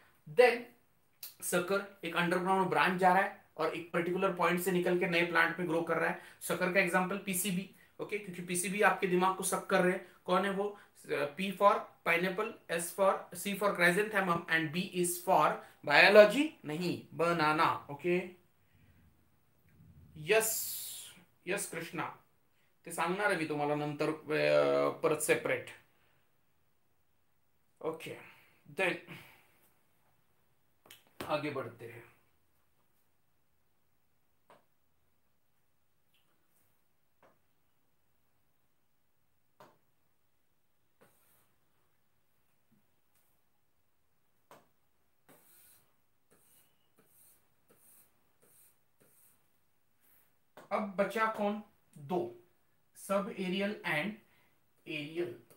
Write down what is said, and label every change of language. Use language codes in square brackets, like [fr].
[hi] Then sucker, एक underground branch जा रहा है और एक पर्टिकुलर पॉइंट से निकल के नए प्लांट में ग्रो कर रहा है। सकर का एग्जांपल पीसीबी, ओके, क्योंकि पीसीबी आपके दिमाग को शक कर रहे हैं, कौन है वो, [en] P for pineapple, S for C for chrysanthemum, and B is for biology, [hi] नहीं बनाना, ओके। [mr] Yes yes Krishna, ते सांगणार आहे मी तुम्हाला नंतर परत सेपरेट, ओके। [hi] देन आगे बढ़ते हैं, अब बचा कौन, दो, सब एरियल एंड एरियल।